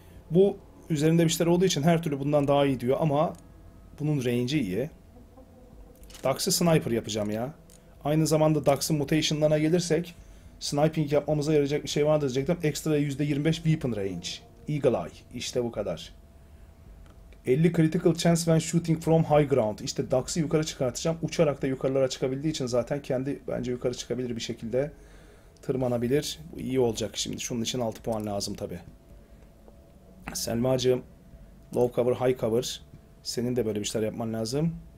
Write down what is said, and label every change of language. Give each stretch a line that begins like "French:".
Turkish: Bu üzerinde bir şeyler olduğu için her türlü bundan daha iyi diyor ama bunun range'i iyi. Dax'ı sniper yapacağım ya. Aynı zamanda Dax'ın mutation'larına gelirsek sniping yapmamıza yarayacak bir şey vardır diyecektim. Ekstra %25 weapon range. Eagle Eye. İşte bu kadar.
English: 50 critical chance when shooting from high ground.
Turkish: İşte Dax'ı yukarı çıkartacağım. Uçarak da yukarılara çıkabildiği için zaten kendi bence yukarı çıkabilir bir şekilde tırmanabilir. Bu iyi olacak şimdi. Şunun için 6 puan lazım tabi. Selmacığım, low cover, high cover. Senin de böyle bir şeyler yapman lazım.